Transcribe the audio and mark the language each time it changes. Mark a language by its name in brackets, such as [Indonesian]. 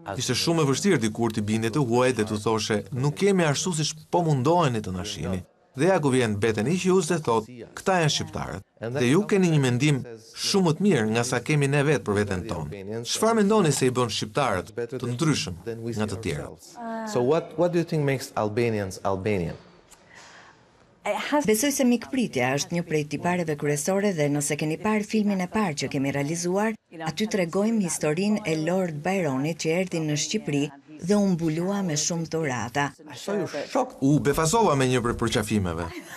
[Albanian] Ishte shumë e vështirë dikur t'i binde të huaj dhe t'u thoshe, nuk kemi ashtu siç po mundoheni të na shihni. Dhe ja ku vjen Bethany Hughes dhe thot, këta janë shqiptarët. Dhe ju keni një mendim shumë më të mirë nga sa kemi ne vetë për veten tonë. Çfarë mendoni se i bën shqiptarët të ndryshëm nga të tjerët? [English] So what do you think makes Albanians Albanian? [Albanian] Besoj se mikpritja është një prej tipareve kryesore dhe nëse keni parë filmin e parë që kemi realizuar, aty tregojmë historinë e Lord Byronit që erdhi në Shqipëri dhe u mbulua me shumë dhurata. U befasova me një prej përqafimeve.